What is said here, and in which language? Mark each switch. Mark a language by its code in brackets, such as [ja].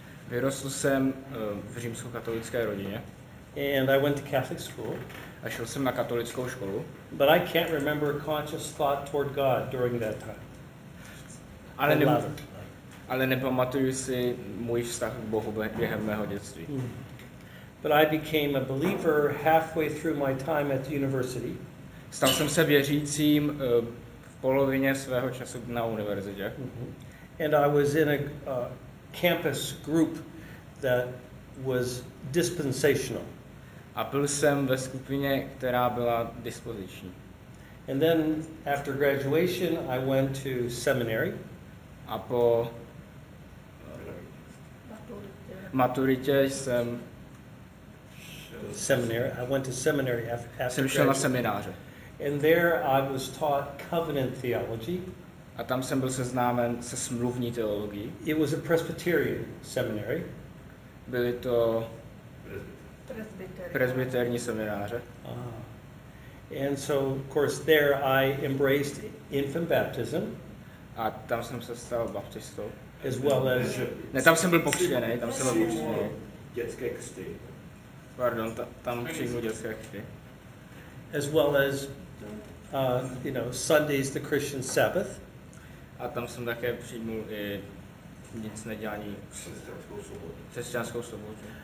[cs] Vyrostl jsem v římskokatolické rodině. [en] And I went to Catholic school. [cs] A šel jsem na katolickou školu. [en] But I can't remember a conscious thought toward God during that time. [cs] Ale nepamatuju si můj vztah k Bohu během mého dětství. Mm-hmm. [en] But I became a believer halfway through my time at the university. [cs] Stal jsem se věřícím v polovině svého času na univerzitě. Mm-hmm. [en] And I was in a campus group that was dispensational. [cs] A byl jsem ve skupině, která byla dispoziční. [en] And then after graduation I went to seminary. [cs] A po maturitě jsem [en] I went to seminary after [cs] jsem šel na semináře. [en] And there I was taught covenant theology. [cs] A tam jsem byl seznámen se smluvní teologií. [en] It was a Presbyterian seminary. [cs] Byly to presbyterní semináře. [en] And so of course there I embraced infant baptism. [cs] A tam jsem se stal baptistou. [en] As well as [cs] tam jsem byl pokřtěný. Dětské křty. Pardon, tam přijmu dětské křty. [en] As well as you know, Sundays the Christian Sabbath. [cs] A tam jsem také přijmul i nic nedělání křesťanskou sobotu.